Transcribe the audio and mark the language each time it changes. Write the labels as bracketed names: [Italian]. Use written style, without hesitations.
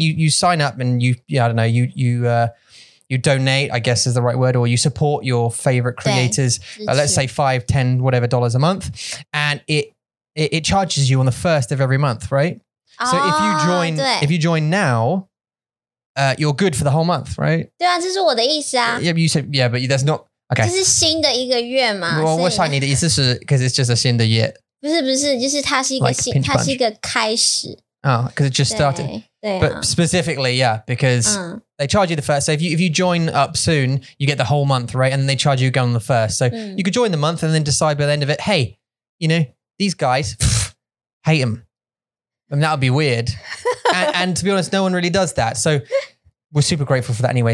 [English] You sign up and you donate, I guess is the right word, or you support your favorite creators, let's say $5, $10, whatever dollars a month. And it charges you on the first of every month, right? So if you join now, you're good for the whole month, right? [Chinese] 对啊，这是我的意思啊。 [English] Yeah, you said, yeah, but that's not, okay. [Chinese] 这是新的一个月嘛。 [English] Well, what's like [Chinese] 你的意思是, [English] because it's just a [Chinese] 新的月。不是不是,就是它是一个新, like 它是一个开始。 [English] Oh, because it just started. [Chinese] 对啊。 [English] But specifically, yeah, because they charge you the first. So if you join up soon, you get the whole month, right? And they charge you again on the first. So you could join the month and then decide by the end of it, hey, you know, these guys, hate them. I mean, that would be weird. and to be honest, no one really does that. So we're super grateful for that anyway.